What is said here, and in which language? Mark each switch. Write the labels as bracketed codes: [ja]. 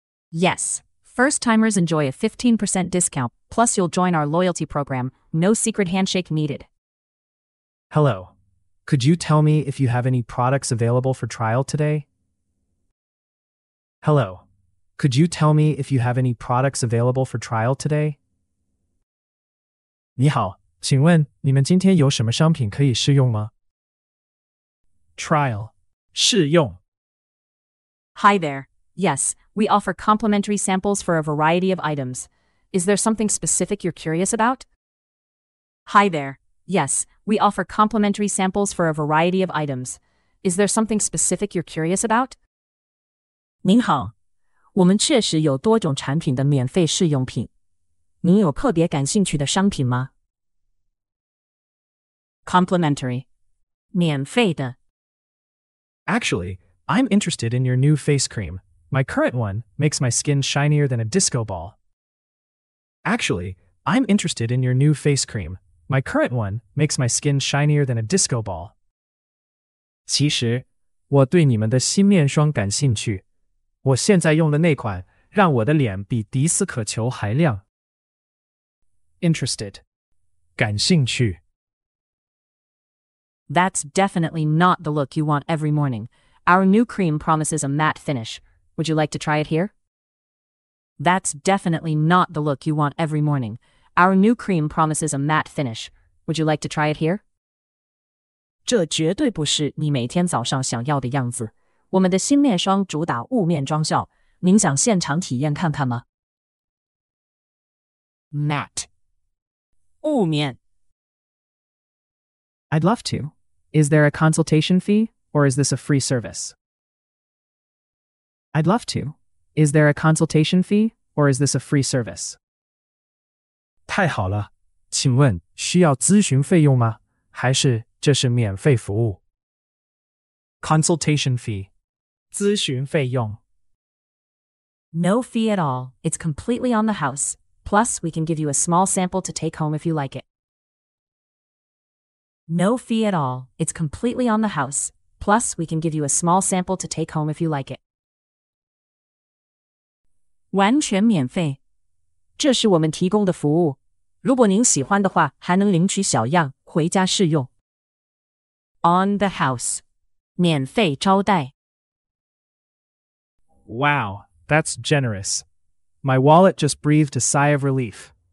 [en] Yes. First-timers enjoy a 15% discount, plus you'll join our loyalty program, no secret handshake needed. Hello. Could you tell me if you have any products available for trial today? Hello. Could you tell me if you have any products available for trial today? [zh] 你好，请问你们今天有什么商品可以试用吗？ [en] Trial. [zh] 试用。 [en] Hi there. Yes. We offer complimentary samples for a variety of items. Is there something specific you're curious about? Hi there. Yes, we offer complimentary samples for a variety of items. Is there something specific you're curious about? [zh] 您好，我们确实有多种产品的免费试用品。您有特别感兴趣的商品吗？ [en] Complimentary. [zh] 免费的。 [en] Actually, I'm interested in your new face cream. My current one makes my skin shinier than a disco ball. Actually, I'm interested in your new face cream. My current one makes my skin shinier than a disco ball. [zh] 其实，我对你们的新面霜感兴趣。我现在用的那款让我的脸比迪斯可球还亮。 [en] Interested. [zh] 感兴趣。 [en] That's definitely not the look you want every morning. Our new cream promises a matte finish. Would you like to try it here? That's definitely not the look you want every morning. Our new cream promises a matte finish. Would you like to try it here? [zh] 这绝对不是你每天早上想要的样子。我们的新面霜主打雾面妆效。您想现场体验看看吗？ [en] Matte. [zh] 雾面。 [en] I'd love to. Is there a consultation fee, or is this a free service? I'd love to. Is there a consultation fee, or is this a free service? [zh] 太好了，请问需要咨询费用吗？还是这是免费服务？ [en] Consultation fee. [zh] 咨询费用。 [en] No fee at all. It's completely on the house. Plus, we can give you a small sample to take home if you like it. No fee at all. It's completely on the house. Plus, we can give you a small sample to take home if you like it. [zh] 完全免费，这是我们提供的服务。如果您喜欢的话，还能领取小样回家试用。 [en] On the house, [zh] 免费招待。 [en] Wow, that's generous. My wallet just breathed a sigh of relief.